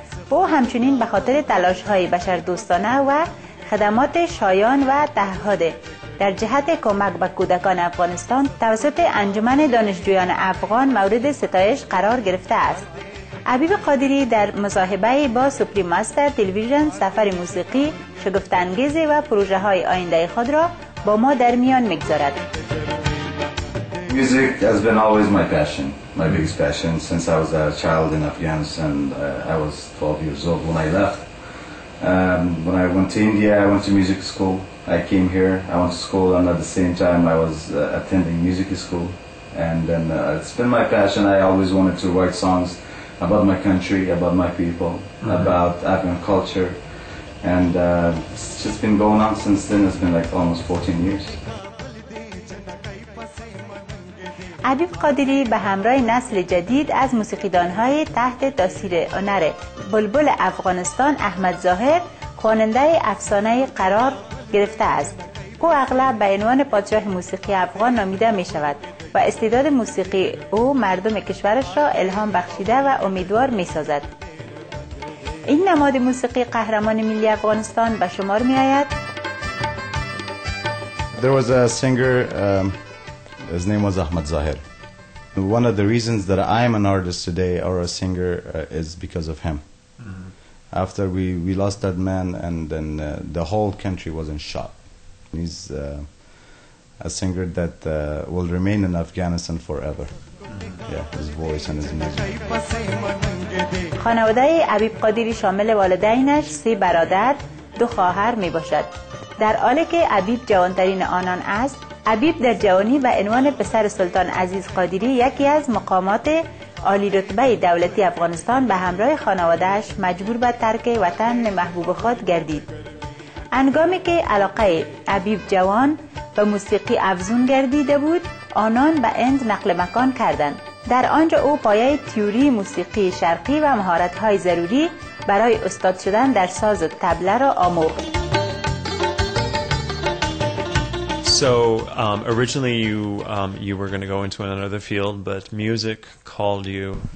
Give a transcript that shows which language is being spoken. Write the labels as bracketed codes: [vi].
[fa] او همچنین به خاطر تلاش‌های بشردوستانه و خدمات شایان و تعهد در جهت کمک به کودکان افغانستان توسط انجمن دانشجویان افغان مورد ستایش قرار گرفته است. عبیب قادری در مصاحبه با سوپریم ماستر تلویزیون سفر موسیقی شگفت‌انگیز و پروژه‌های آینده خود را با ما در میان می‌گذارد. [en] Music has been always my passion, my biggest passion since I was a child in Afghanistan. I was 12 years old when I left. When I went to India, I went to music school. I came here, I went to school, and at the same time I was attending music school. And then it's been my passion. I always wanted to write songs about my country, about my people, mm-hmm. about Afghan culture. And it's just been going on since then. It's been like almost 14 years. [fa] عبیب قادری به همراه نسل جدید از موسیقیدانهای تحت تاثیر هنر بلبل افغانستان احمد ظاهر خواننده افسانه قرار گرفته است. او اغلب به عنوان پادشاه موسیقی افغان نامیده می شود و استعداد موسیقی او مردم کشورش را الهام بخشیده و امیدوار می سازد. این نماد موسیقی قهرمان ملی افغانستان به شمار می آید. [en] There was a singer His name was Ahmad Zahir. One of the reasons that I am an artist today or a singer is because of him. Mm-hmm. After we lost that man, and then the whole country was in shock. He's a singer that will remain in Afghanistan forever. Yeah, his voice and his music. [fa] خانواده عبیب قادری شامل والدینش، 3 برادر، 2 خواهر می باشد. در حالی که عبیب جوانترین آنان است، عبیب در جوانی و عنوان پسر سلطان عزیز قادری یکی از مقامات عالی رتبه دولتی افغانستان به همراه خانوادهش مجبور به ترک وطن محبوب خود گردید. انگامی که علاقه عبیب جوان به موسیقی افزون گردیده بود، آنان به هند نقل مکان کردند. در آنجا او پایه تئوری موسیقی شرقی و مهارت‌های ضروری برای استاد شدن در ساز و طبله را آموخت. [en] So originally you were going to go into another field, but music called you.